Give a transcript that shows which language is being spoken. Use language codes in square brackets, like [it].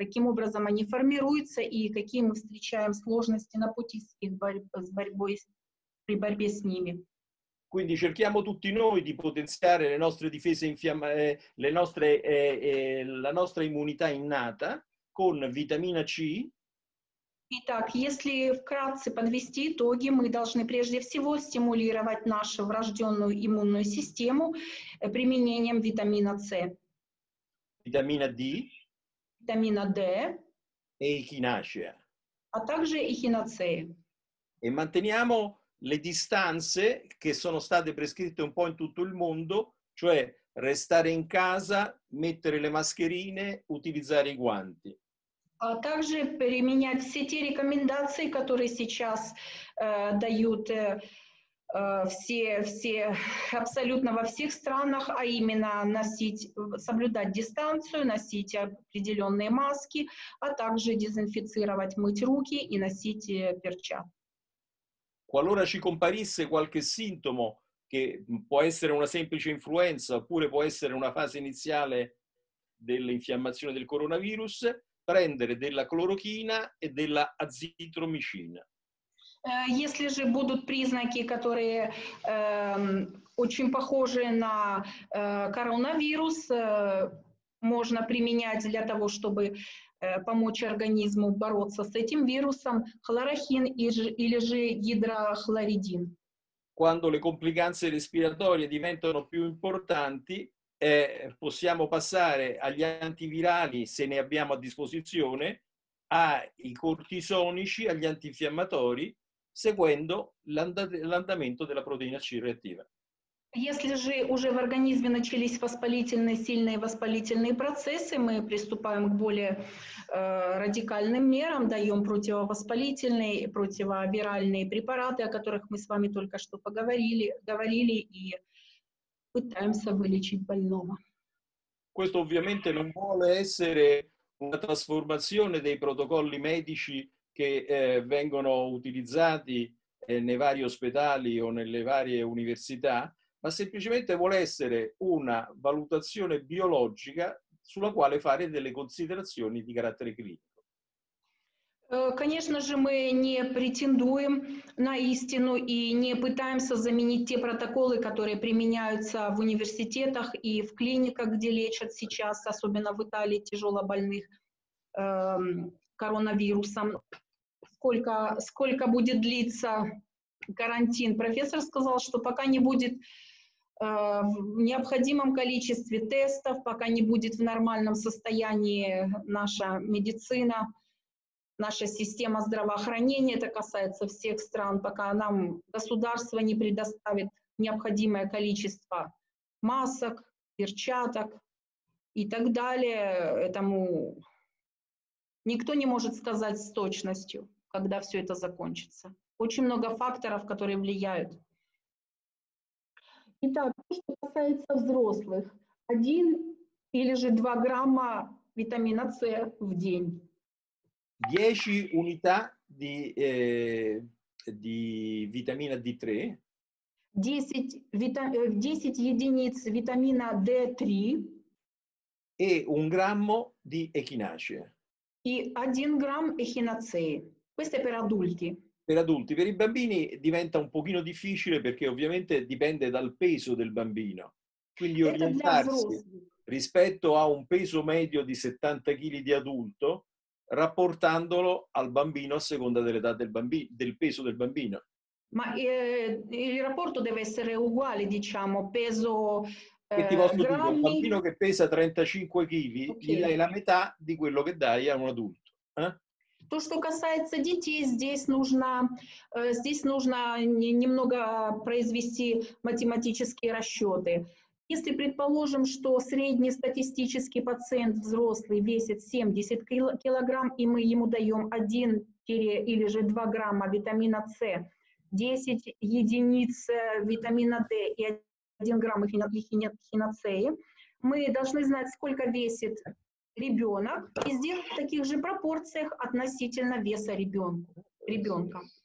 [ru] Каким образом они формируются и какие мы встречаем сложности на пути с их борьбой, при борьбе с ними. [it] Quindi cerchiamo tutti noi di potenziare le nostre difese la nostra immunità innata con vitamina C. [ru] Итак, если вкратце подвести итоги, мы должны прежде всего стимулировать нашу врожденную иммунную систему применением витамина C. Витамина D. Витамина D. [it] E echinacea. [ru] А также эхиноцеи. [it] E manteniamo le distanze che sono state prescritte un po' in tutto il mondo, cioè restare in casa, mettere le mascherine, utilizzare i guanti. [ru] Также применять все те рекомендации, которые сейчас дают все абсолютно во всех странах, а именно соблюдать дистанцию, носить определенные маски, а также дезинфицировать, мыть руки и носить перчатки. [it] Qualora ci comparisse qualche sintomo, che può essere una semplice influenza oppure può essere una fase iniziale dell'infiammazione del coronavirus, prendere della clorochina e della azitromicina. [ru] Если же будут признаки, которые очень похожи на коронавирус, можно применять для того, чтобы помочь организму бороться с этим вирусом, хлорохин или же гидрохлоридин. [it] Quando le complicanze respiratorie diventano più importanti, possiamo passare agli antivirali, se ne abbiamo a disposizione, ai cortisonici, agli antinfiammatori, seguendo l'andamento della proteina C reattiva. [ru] Если же уже в организме начались сильные воспалительные процессы, мы приступаем к более радикальным мерам, даем противовоспалительные, противовиральные препараты, о которых мы с вами только что говорили и пытаемся вылечить больного. [it] Questo ovviamente non vuole essere una trasformazione dei protocolli medici che vengono utilizzati nei vari ospedali o nelle varie università, ma semplicemente vuole essere una valutazione biologica sulla quale fare delle considerazioni di carattere clinico. [ru] Конечно же, мы не претендуем на истину и не пытаемся заменить те протоколы, которые применяются в университетах и в клиниках, где лечат сейчас, особенно в Италии, тяжелобольных коронавирусом. Сколько будет длиться карантин? Профессор сказал, что пока не будет в необходимом количестве тестов, пока не будет в нормальном состоянии наша медицина, наша система здравоохранения, это касается всех стран, пока нам государство не предоставит необходимое количество масок, перчаток и так далее, этому никто не может сказать с точностью, когда все это закончится. Очень много факторов, которые влияют. Итак, что касается взрослых, 1 или 2 грамма витамина С в день. [it] 10 унита di витамина D3. [ru] 10 единиц витамина D3. [it] E 1 grammo di echinacea. E 1 grammo echinacea. Questo è per adulti. Per adulti, per i bambini diventa un pochino difficile perché ovviamente dipende dal peso del bambino. Quindi orientarsi rispetto a un peso medio di 70 kg di adulto, rapportandolo al bambino a seconda dell'età del bambino, del peso del bambino. Ma il rapporto deve essere uguale, diciamo, peso che ti posso grammi... dire, un bambino che pesa 35 kg, okay, gli dai la metà di quello che dai a un adulto. [ru] То, что касается детей, здесь нужно немного произвести математические расчеты. Если предположим, что средний статистический пациент взрослый весит 70 килограмм, и мы ему даем 1 или 2 грамма витамина С, 10 единиц витамина D и 1 грамм эхиноцеи, мы должны знать, сколько весит ребенок, и сделать в таких же пропорциях относительно веса ребенка.